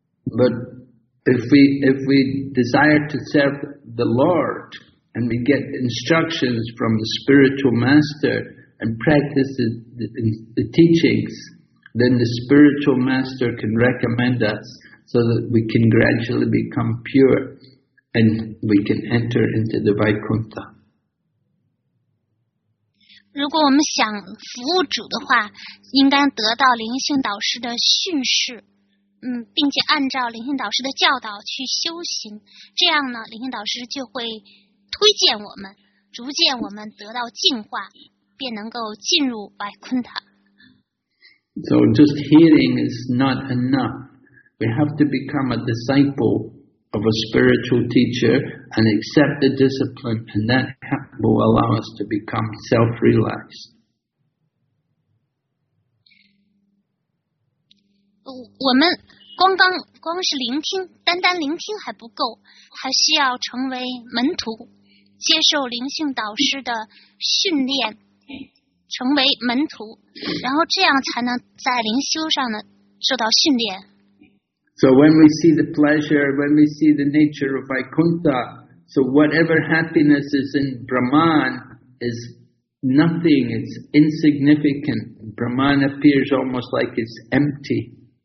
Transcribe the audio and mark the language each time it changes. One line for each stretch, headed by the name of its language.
English: But if we desire to serve the Lord and we get instructions from the spiritual master and practice the teachings, then the spiritual master can recommend us. So that we can gradually become pure and we can enter into the Vaikuntha.
Chinese: 如果我们想服务主的话，应该得到灵性导师的训示，并且按照灵性导师的教导去修行，这样呢，灵性导师就会推荐我们，逐渐我们得到净化，便能够进入 Vaikuntha.
English: So just hearing is not enough. We have to become a disciple of a spiritual teacher and accept the discipline, and that will allow us to become self-realized.
Chinese: 我们光是聆听，单单聆听还不够，还需要成为门徒，接受灵性导师的训练，成为门徒，然后这样才能在灵修上呢受到训练。
English: So when we see the pleasure, when we see the nature of Vaikuntha, so whatever happiness is in Brahman is nothing, it's insignificant. Brahman appears almost like it's empty.